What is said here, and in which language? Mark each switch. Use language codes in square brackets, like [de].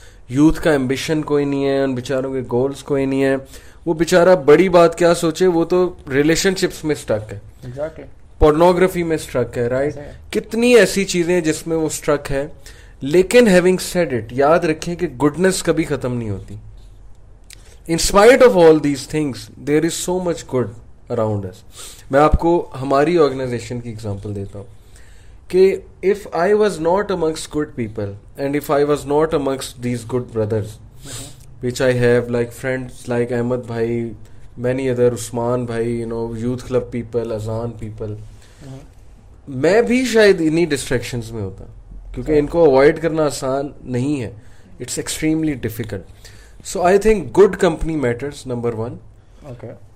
[ur] Youth کا ambition کوئی نہیں ہے, ان بیچاروں کے goals کوئی نہیں ہے, وہ بیچارہ بڑی بات کیا سوچے, وہ تو relationships میں stuck ہے, pornography میں stuck ہے, right? کتنی ایسی چیزیں جس میں وہ stuck ہے. لیکن [en] having said it, [ur] یاد رکھیں کہ goodness کبھی ختم نہیں ہوتی. [en] In spite of all these things, there is so much good around us. [ur] میں آپ کو ہماری organization کی example دیتا ہوں کہ [en] if I was not amongst good people and if I was not amongst these good brothers, which I have, like friends like Ahmed bhai, [ur] many other, عثمان بھائی, you know, youth club people, اذان people, میں بھی شاید انہیں distractions میں ہوتا کیونکہ ان کو اوائڈ کرنا آسان نہیں ہے, [en] It's extremely difficult. So I think good company matters, number one. Okay,